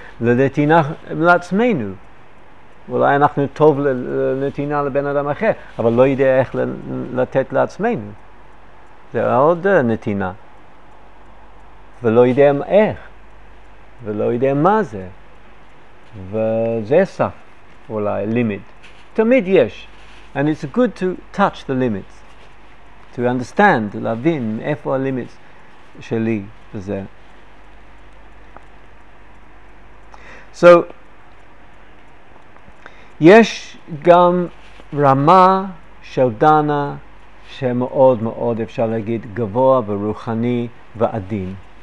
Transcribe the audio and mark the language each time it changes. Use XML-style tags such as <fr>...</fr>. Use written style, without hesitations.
<he>לנתינה לעצמנו. אולי אנחנו טוב לנתינה לבן אדם אחר, אבל לא יודע איך לתת לעצמנו. זה עוד נתינה. ולא יודע איך. ולא יודע מה זה. וזה סף, אולי, limit. תמיד יש.</he> <en>And it's good to touch the limits. To understand,</en> <he>להבין איפה ה-limits שלי בזה.</he> <en>So,</en> <he>יש גם רמה של דנה שמאוד מאוד אפשר להגיד גבוה ורוחני ועדין.</he>